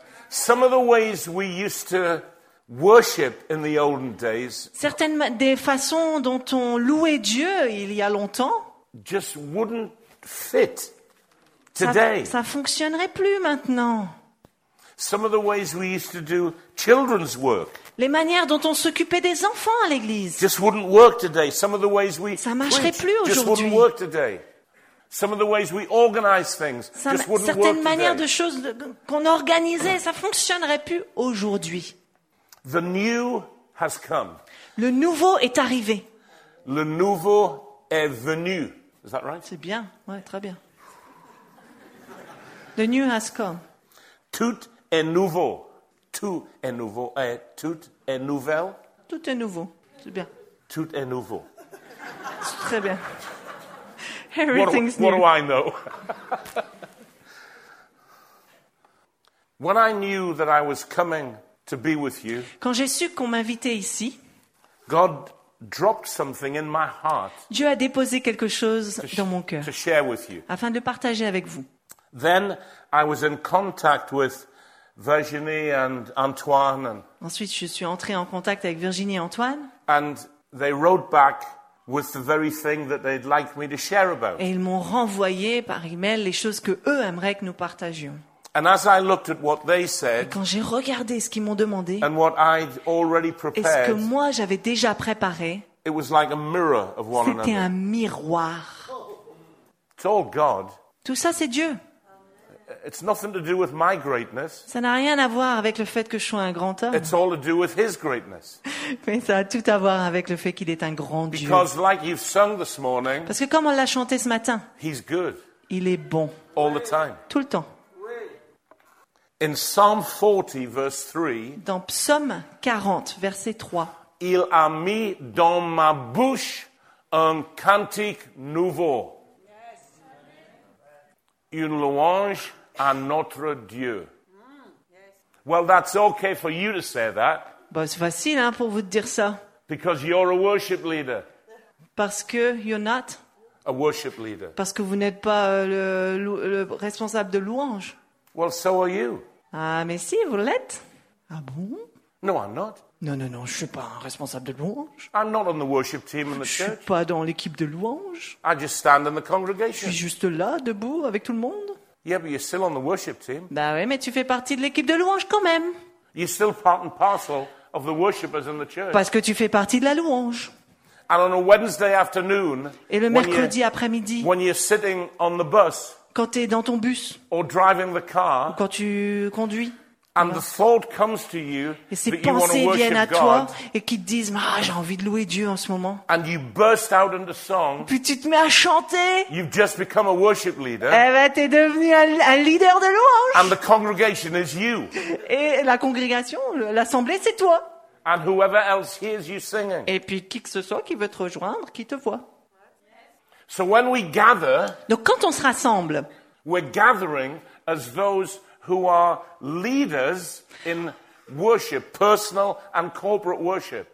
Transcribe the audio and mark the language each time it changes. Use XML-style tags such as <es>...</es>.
<en>Some of the ways we used to worship in the olden days,</en> <fr>certaines des façons dont on louait Dieu il y a longtemps,</fr> <en>just wouldn't fit. Today.</en> <fr>Ça fonctionnerait plus maintenant.</fr> <en>Some of the ways we used to do children's work.</en> <fr>Les manières dont on s'occupait des enfants à l'église.</fr> <en>Just wouldn't work today. Some of the ways we</en> <fr>Ça marcherait plus aujourd'hui.</fr> <en>Just wouldn't work today. Some of the ways we organize things. Ça just wouldn't</en> <fr>certaines</fr> <en>work today.</en> <fr>Manières de choses qu'on organisait, ça fonctionnerait plus aujourd'hui.</fr> <en>The new has come.</en> <fr>Le nouveau est arrivé. Le nouveau est venu.</fr> <en>Is that right?</en> <fr>C'est bien. Ouais, très bien.</fr> <en>The new has come.</en> <fr>Tout est nouveau. Tout est nouveau. Tout est nouvelle. Tout est nouveau. C'est bien. Tout est nouveau. C'est très bien. Everything's</fr> <en>what, new. What do I know? When I knew that I was coming to be with you,</en> <fr>quand j'ai su qu'on m'invitait ici,</fr> <en>God dropped something in my heart.</en> <fr>Dieu a déposé quelque chose dans mon cœur.</fr> <en>To share with you.</en> <fr>Afin de partager avec vous.</fr> <en>Then I was in contact with Virginie and Antoine. And</en> <fr>ensuite, je suis entré en contact avec Virginie et Antoine.</fr> <en>And they wrote back with the very thing that they'd like me to share about.</en> <fr>Et ils m'ont renvoyé par email les choses que eux aimeraient que nous partagions.</fr> <en>And as I looked at what they said,</en> <fr>et quand j'ai regardé ce qu'ils m'ont demandé,</fr> <en>and what I'd already prepared,</en> <fr>et ce que moi j'avais déjà préparé,</fr> <en>it was like a mirror of one</en> <fr>c'était</fr> <en>another.</en> <fr>Un miroir.</fr> <en>It's all God.</en> <fr>Tout ça, c'est Dieu.</fr> <en>It's nothing to do with my greatness.</en> <fr>Ça n'a rien à voir avec le fait que je sois un grand homme.</fr> <en>It's all to do with his greatness.</en> <fr>Mais ça a tout à voir avec le fait qu'il est un grand Dieu.</fr> <en>Because like you've sung this morning,</en> <fr>parce que comme on l'a chanté ce matin,</fr> <en>he's good.</en> <fr>Il est bon.</fr> <en>All the time.</en> <fr>Tout le temps.</fr> <en>In Psalm 40, verse 3,</en> <fr>dans Psaume 40, verset 3, il a mis dans ma bouche un cantique nouveau. Une louange à notre Dieu.</fr> <en>Well, that's okay for you to say that.</en> <fr>Bah, c'est facile hein, pour vous de dire ça.</fr> <en>Because you're a worship leader.</en> <fr>Parce que</fr> <en>you're not. A worship leader.</en> <fr>Parce que vous n'êtes pas le responsable de louange.</fr> <en>Well, so are you.</en> <fr>Ah, mais si, vous l'êtes. Ah bon?</fr> <en>No, I'm not.</en> <fr>Non, non, non, je ne suis pas un responsable de louange.</fr> <en>I'm not on the worship team in the church.</en> <fr>Je ne suis pas dans l'équipe de louange.</fr> <en>I just stand in the congregation.</en> <fr>Je suis juste là, debout, avec tout le monde.</fr> <en>Yeah, but you're still on the worship team.</en> <fr>Bah oui, mais tu fais partie de l'équipe de louange quand même.</fr> <en>You're still part and parcel of the worshippers in the church.</en> <fr>Parce que tu fais partie de la louange.</fr> <en>And on a Wednesday afternoon,</en> <fr>et le mercredi après-midi,</fr> <en>when you're sitting on the bus,</en> <fr>quand tu es dans ton bus,</fr> <en>or driving the car,</en> <fr>ou quand tu conduis,</fr> <en>and the thought comes to you,</en> <fr>et ces pensées viennent à toi et qui te disent, ah, j'ai envie de louer Dieu en ce moment.</fr> <en>And you burst out into song,</en> <fr>puis tu te mets à chanter.</fr> <en>You've just become a worship leader,</en> <fr>et ben, t'es devenu un leader de louange.</fr> <en>And the congregation is you.</en> <fr>Et la congrégation, l'assemblée, c'est toi.</fr> <en>And whoever else hears you singing.</en> <fr>Et puis qui que ce soit qui veut te rejoindre, qui te voit.</fr> <en>So when we gather,</en> <fr>donc quand on se rassemble,</fr> <en>we're gathering as those who are leaders in worship, personal and corporate worship.</en>